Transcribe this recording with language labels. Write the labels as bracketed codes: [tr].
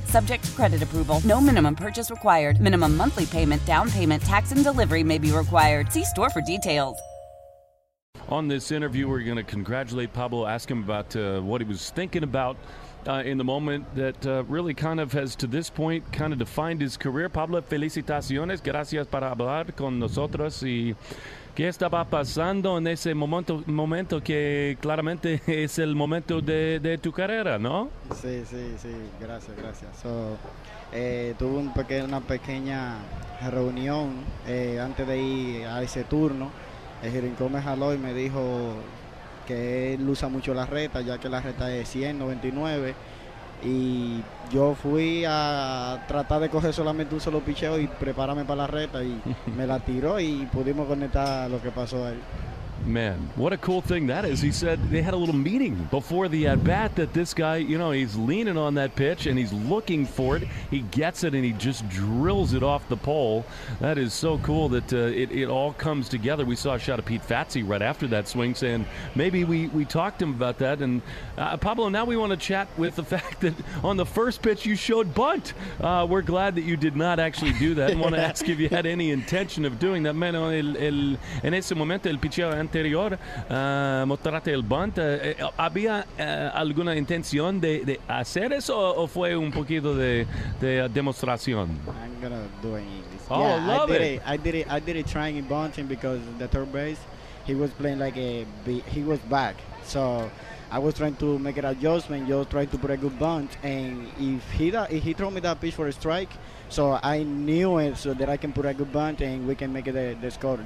[en] Subject to credit approval, no minimum purchase required. Minimum monthly payment, down payment, tax, and delivery may be required. See store for details. On this interview, we're going to congratulate Pablo, ask him about what he was thinking about in the moment that really kind of has, to this point, kind of defined his career. [es] Pablo, felicitaciones. Gracias por hablar con nosotros. Y qué estaba pasando en ese momento que claramente es el momento de tu carrera, ¿no? Sí. Gracias. So, tuve una pequeña reunión antes de ir a ese turno. El Jerincón me jaló y me dijo que él usa mucho la reta, ya que la reta es 199. Y yo fui a tratar de coger solamente un solo picheo y prepararme para la reta. Y me la tiró y pudimos conectar lo que pasó ahí. [en] Man, what a cool thing that is. He said they had a little meeting before the at-bat that this guy, you know, he's leaning on that pitch and he's looking for it. He gets it and he just drills it off the pole. That is so cool that it all comes together. We saw a shot of Pete Fatsy right after that swing saying maybe we talked to him about that. And Pablo, now we want to chat with the fact that on the first pitch you showed bunt. We're glad that you did not actually do that. And want to ask if you had any intention of doing that. [es] Man, en ese momento el picheo anterior, mostrarte el bunt, ¿había alguna intención de hacer eso o fue un poquito de demostración? [en] I'm gonna do it in English. Oh, yeah, love I did it trying and bunting because the third base, he was playing like he was back. So I was trying to make an adjustment, just trying to put a good bunt, and if he threw me that pitch for a strike, so I knew it so that I can put a good bunt and we can make it the score.